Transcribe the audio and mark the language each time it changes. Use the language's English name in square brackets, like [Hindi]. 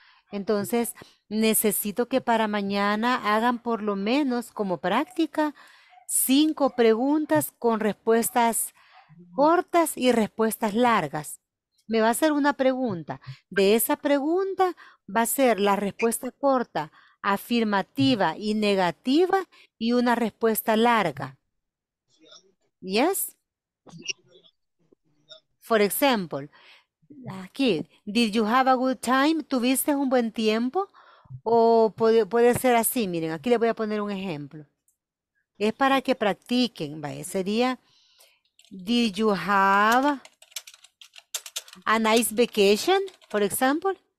[Spanish] Entonces, necesito que para mañana hagan por lo menos como práctica 5 preguntas con respuestas cortas y respuestas largas. me va a hacer una pregunta. De esa pregunta va a ser la respuesta corta, afirmativa y negativa, y una respuesta larga. [English] Yes? For example, aquí, did you have a good time? [Spanish] ¿Tuviste un buen tiempo? O puede ser así, miren, aquí les voy a poner un ejemplo. Es para que practiquen, ¿vale? [English] Sería, did you have a nice vacation, for example?